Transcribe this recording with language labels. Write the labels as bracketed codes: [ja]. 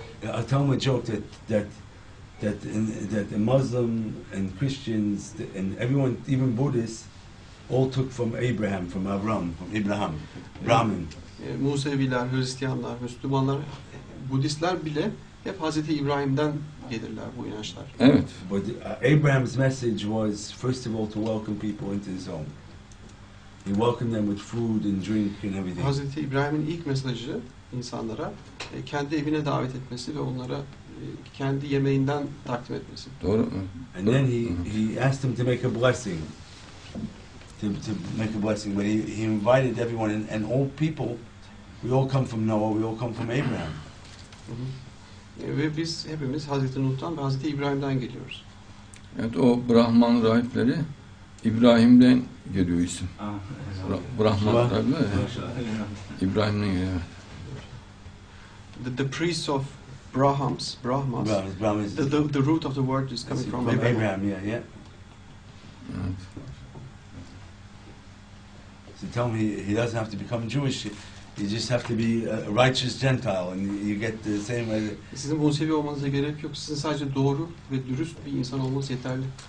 [en] I tell them a joke that the Muslim and Christians and everyone, even Buddhists, all took from Abraham, from Abraham, Brahmin. [tr] Museviler, Hristiyanlar, Müslümanlar, Budistler bile hep Hazreti İbrahim'den gelirler bu inançlar. Evet. [en] But Abraham's message was first of all to welcome people into his home. He welcomed them with food and drink and everything. [tr] Hazreti İbrahim'in ilk mesajı insanlara kendi evine davet etmesi ve onlara kendi yemeğinden takdim etmesi. Doğru mu? [en] And then he asked them to make a blessing. To make a blessing, but he invited everyone and all people. We all come from Noah. We all come from Abraham. [tr] Ve biz hepimiz Hazreti Nuh'tan ve Hazreti İbrahim'den geliyoruz. Evet, o Brahman rahipleri İbrahim'den geliyor isim. Brahman rahipleri. İbrahim'den geliyor. [en] The priests of Brahmas. Brahmas. The root of the word is coming from Abraham. Abraham. Yeah. [tr] Evet. [en] To tell me he doesn't have to become Jewish, you just have to be a righteous Gentile, and you get the same. [tr] Sizin Musevi olmanıza gerek yok. Sizin sadece doğru ve dürüst bir insan olmanız yeterli.